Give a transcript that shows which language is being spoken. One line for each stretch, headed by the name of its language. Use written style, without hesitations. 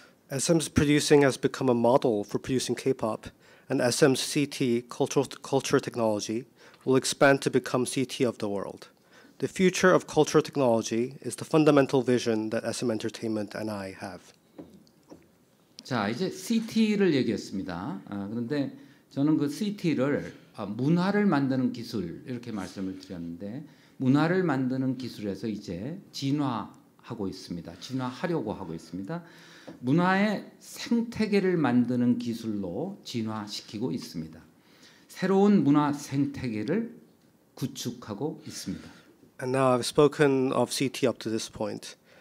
English: SM's producing has become a model for producing K-pop, and SM's CT, culture technology, will expand to become CT of the world. The future of culture technology is the fundamental vision that SM Entertainment and I have.
Korean: 자 이제 CT를 얘기했습니다. 그런데 저는 그 CT를 문화를 만드는 기술 이렇게 말씀을 드렸는데 문화를 만드는 기술에서 이제 진화 하고 있습니다. 진화하려고 하고 있습니다. 문화의 생태계를 만드는 기술로 진화시키고 있습니다. 새로운 문화 생태계를 구축하고 있습니다.
English: And now I've spoken of CT up to this point.